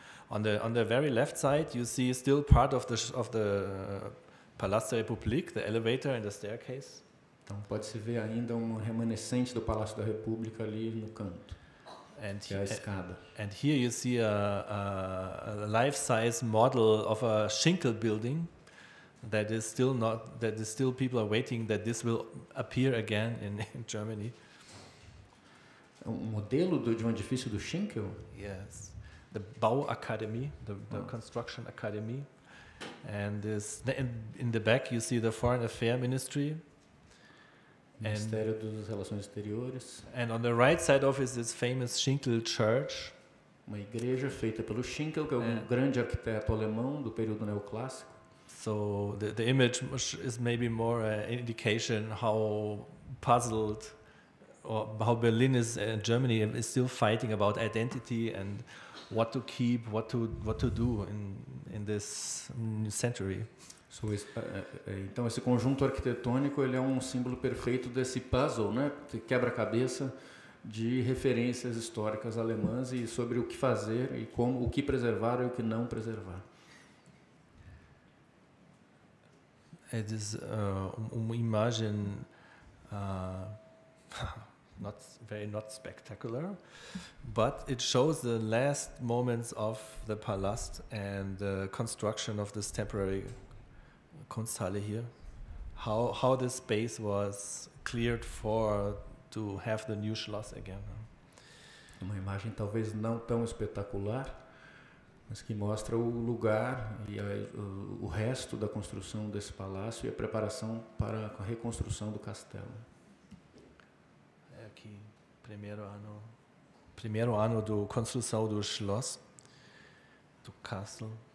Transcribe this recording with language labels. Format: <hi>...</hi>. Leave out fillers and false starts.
<en>On the very left side, you see still part of the Palácio da República, the elevator and the staircase.</en> <pt>Então pode se ver ainda um remanescente do Palácio da República ali no canto.</pt> <en>And</en> <pt>que é a escada.</pt> <en>And here you see a life-size model of a Schinkel building that is still people are waiting that this will appear again in Germany.</en> <pt>Um modelo de um edifício do Schinkel?</pt> <en>Yes. The Bauakademie, the Construction Academy. And this, in the back you see the Foreign Affairs Ministry.</en> <pt>Ministério das Relações Exteriores.</pt> <en>And on the right side of is this famous Schinkel Church.</en> <pt>Uma igreja feita pelo Schinkel, que é um grande arquiteto alemão do período neoclássico.</pt> <en>So the image is maybe more an indication how puzzled or how Berlin is, Germany is still fighting about identity and what to keep, what to do in in this century.</en> <pt>So, então esse conjunto arquitetônico ele é um símbolo perfeito desse puzzle, né? De quebra-cabeça de referências históricas alemãs e sobre o que fazer e como, o que preservar e o que não preservar.</pt> <en>It is</en> <pt>uma imagem</pt> <en>not spectacular, but it shows the last moments of the palace and the construction of this temporary Kunsthalle here, how this space was cleared for to have the new Schloss again.</en> <pt>Uma imagem talvez não tão espetacular, mas que mostra o lugar e o resto da construção desse palácio e a preparação para a reconstrução do castelo. É aqui, primeiro ano da construção do Schloss, do castle.</pt>